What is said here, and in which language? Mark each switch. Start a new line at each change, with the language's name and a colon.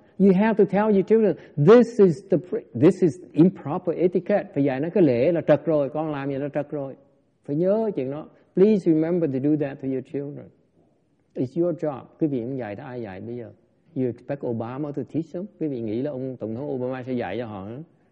English: You have to tell your children this is improper etiquette.
Vietnamese: Phải dạy nó cái lễ là trật rồi, con làm gì nó trật rồi. Phải nhớ chuyện đó.
English: Please remember to do that to your children. It's your job.
Vietnamese: Quý vị không dạy thì ai dạy bây giờ?
English: You expect Obama to teach them?
Vietnamese: Quý vị nghĩ là ông Tổng thống Obama sẽ dạy cho họ hả?